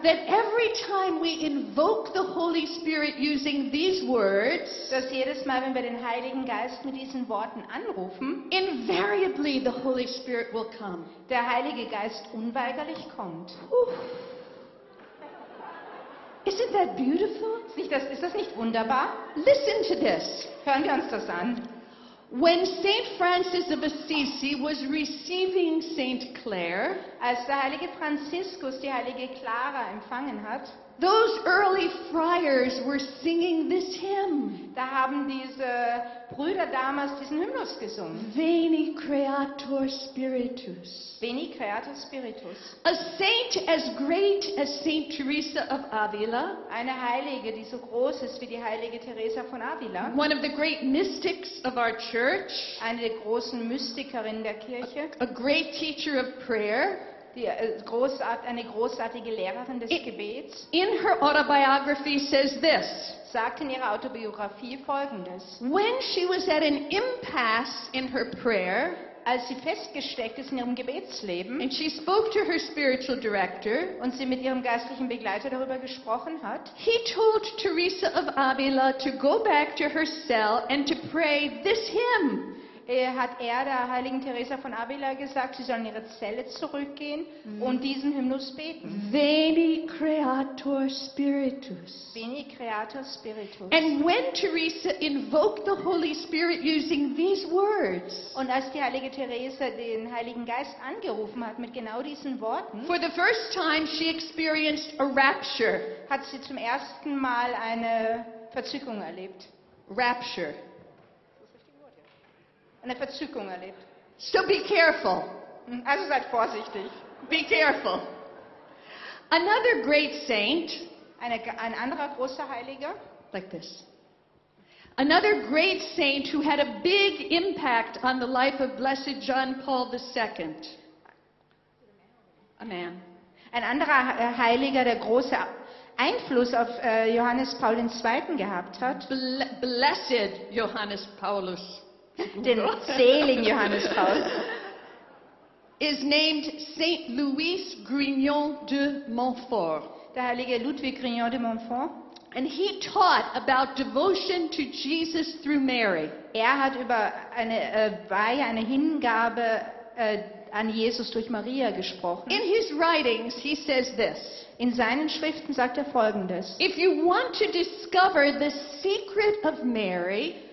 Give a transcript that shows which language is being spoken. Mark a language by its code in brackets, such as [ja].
[en] that every time we invoke the Holy Spirit using these words, [de] dass jedes Mal, wenn wir den Heiligen Geist mit diesen Worten anrufen, [en] invariably the Holy Spirit will come. [de] Der Heilige Geist unweigerlich kommt. [en] Isn't that beautiful? [de] Ist das nicht wunderbar? [en] Listen to this. [de] Hören wir uns das an. [en] When St. Francis of Assisi was receiving St. Clare, [de] als der heilige Franziskus die heilige Clara empfangen hat, [en] those early friars were singing this hymn. [de] Da haben diese Brüder damals diesen Hymnus gesungen. [la] Veni Creator Spiritus. Veni Creator Spiritus. [en] A saint as great as Saint Teresa of Avila. [de] Eine Heilige, die so groß ist wie die heilige Teresa von Avila. [en] One of the great mystics of our church. [de] Eine der großen Mystikerinnen der Kirche. [en] A great teacher of prayer. [de] Eine großartige Lehrerin des Gebets. [en] In her autobiography says this. [de] Sagt in ihrer Autobiografie Folgendes. [en] When she was at an impasse in her prayer, [de] als sie festgesteckt ist in ihrem Gebetsleben, [en] and she spoke to her spiritual director, [de] und sie mit ihrem geistlichen Begleiter darüber gesprochen hat, [en] he told Teresa of Avila to go back to her cell and to pray this hymn. [de] Hat er der heiligen Teresa von Avila gesagt, sie soll in ihre Zelle zurückgehen und diesen Hymnus beten. [la] Veni Creator Spiritus. Veni Creator Spiritus. [en] And when Teresa invoked the Holy Spirit using these words, [de] und als die heilige Teresa den Heiligen Geist angerufen hat mit genau diesen Worten, [en] for the first time she experienced a rapture. [de] Hat sie zum ersten Mal eine Verzückung erlebt. [en] Rapture. [de] Eine Verzückung erlebt. [en] So be careful. [de] Also seid vorsichtig. [en] Be careful. Another great saint. [de] Ein anderer großer Heiliger. [en] Like this. Another great saint who had a big impact on the life of Blessed John Paul II. A man. [de] Ein anderer Heiliger, der große Einfluss auf Johannes Paul II. Gehabt hat. [en] Blessed Johannes Paulus. [de] Den seligen Johannes Paul [en] is named Saint Louis Grignon de Montfort. [de] Der heilige Ludwig Grignon de Montfort. [en] And he taught about devotion to Jesus through Mary. [de] Er hat über eine Weihe, eine Hingabe an Jesus durch Maria gesprochen. [en] In his writings he says this. [de] In seinen Schriften sagt er Folgendes. [en] If you want to discover the secret of Mary,